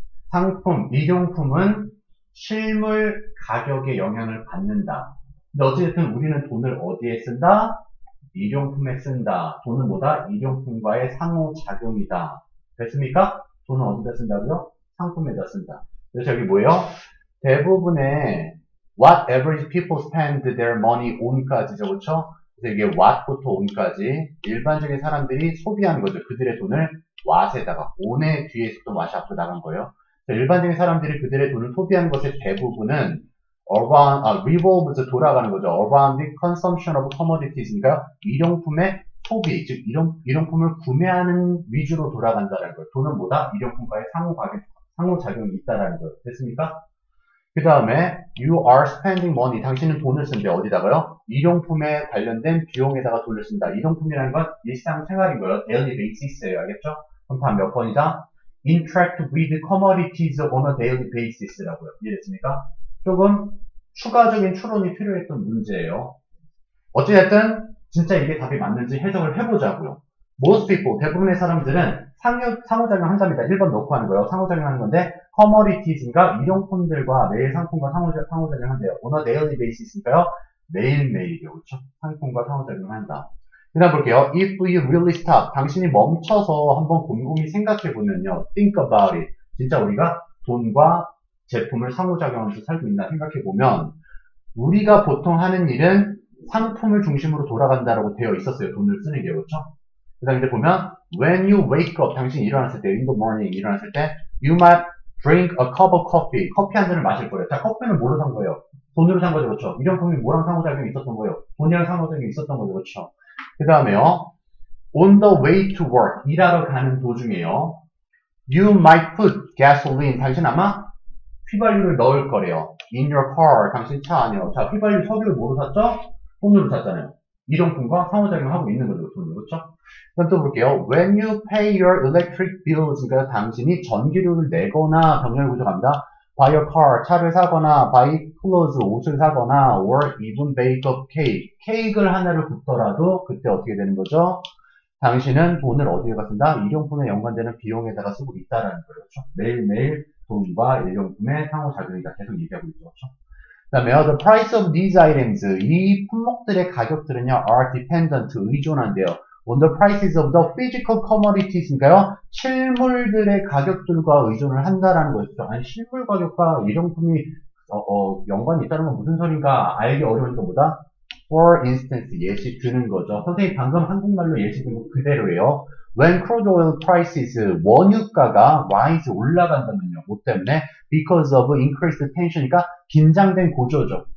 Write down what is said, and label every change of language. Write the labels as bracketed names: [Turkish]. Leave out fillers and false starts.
[Korean] 상품, 일용품은 실물 가격에 영향을 받는다. 근데 어쨌든 우리는 돈을 어디에 쓴다? 일용품에 쓴다. 돈은 뭐다? 일용품과의 상호작용이다. 됐습니까? 돈은 어디다 쓴다고요? 상품에다 쓴다. 그래서 여기 뭐예요? 대부분의 [English] what average people spend their money on [Korean] 까지죠, 그렇죠? 그래서 이게 what부터 on까지 일반적인 사람들이 소비한 거죠. 그들의 돈을 what에다가 on의 뒤에서 또 what이 앞으로 나간 거예요. 일반적인 사람들이 그들의 돈을 소비한 것의 대부분은 revolves 돌아가는 거죠. [English] around the consumption of commodities [Korean] 니까 일용품의 소비, 즉 일용품을 구매하는 위주로 돌아간다는 거예요. 돈은 뭐다? 일용품과의 상호작용이 있다라는 거예요. 됐습니까? 그 다음에 [English] you are spending money. [Korean] 당신은 돈을 쓴대. 어디다가요? 일용품에 관련된 비용에다가 돈을 쓴다. 일용품이라는 건 일상생활인 거예요. [English] daily basis예요. [Korean] 알겠죠? 그럼 다음 몇 번이다? [English] interact with commodities on a daily basis라고요. [Korean] 이해됐습니까? 조금 추가적인 추론이 필요했던 문제예요. 어찌됐든 진짜 이게 답이 맞는지 해석을 해보자고요. [English] Most people, [Korean] 대부분의 사람들은 상호작용 한답니다. 1번 넣고 하는 거예요. 상호작용 하는 건데 commodities인가 일용품들과 매일 상품과 상호작용 한대요. [English] on a daily basis인가요? [Korean] 매일매일이요. 그렇죠? 상품과 상호작용 한다. 그다음 볼게요. [English] If you really stop, [Korean] 당신이 멈춰서 한번 곰곰이 생각해보면요. [English] Think about it. [Korean] 진짜 우리가 돈과 제품을 상호작용하면서 살고 있나 생각해보면 우리가 보통 하는 일은 상품을 중심으로 돌아간다라고 되어 있었어요. 돈을 쓰는 게. 그렇죠? 그 다음 이제 보면 [English] When you wake up, [Korean] 당신이 일어났을 때, [English] in the morning [Korean] 일어났을 때 [English] You might drink a cup of coffee. [Korean] 커피 한 잔을 마실 거예요. 자, 커피는 뭘로 산 거예요? 돈으로 산 거죠. 그렇죠? 일용품이 뭐랑 상호작용이 있었던 거예요? 돈이랑 상호작용이 있었던 거죠. 그렇죠? 그 다음에요. [English] On the way to work, [Korean] 일하러 가는 도중에요. [English] You might put gasoline. [Korean] 당신 아마 휘발유를 넣을 거래요. [English] In your car, [Korean] 당신 차 안에요. 자, 휘발유 석유를 뭐로 샀죠? 돈으로 샀잖아요. 일용품과 상호작용하고 있는 거죠. 돈으로. 그렇죠? 그럼 또 볼게요. [English] When you pay your electric bills, [Korean] 그러니까 당신이 전기료를 내거나 병렬 구조 갑니다. [English] Buy a car, [Korean] 차를 사거나, [English] buy clothes, [Korean] 옷을 사거나, [English] or even bake a cake. [Korean] 케이크를 하나를 굽더라도 그때 어떻게 되는 거죠? 당신은 돈을 어디에 갖는다? 일용품에 연관되는 비용에다가 쓰고 있다라는 거예요. 그렇죠? 매일매일 돈과 일용품의 상호작용이다. 계속 얘기하고 있죠. 그렇죠? 그다음에 [English] the price of these items. [Korean] 이 품목들의 가격들은요, [English] are dependent, [Korean] 의존한대요. [English] On the prices of the physical commodities인가요? [Korean] 실물들의 가격들과 의존을 한다라는 거였죠. 아니, 실물 가격과 일용품이 연관이 있다는 건 무슨 소린가? 알기 어려운 것보다 For instance, 예시 드는 거죠. 선생님, 방금 한국말로 예시 드는 거 그대로예요. [English] When crude oil prices, [Korean] 원유가가 [English] rise [Korean] 올라간다면요. 뭐 때문에? [English] Because of increased tension이니까 [Korean] 긴장된 고조죠.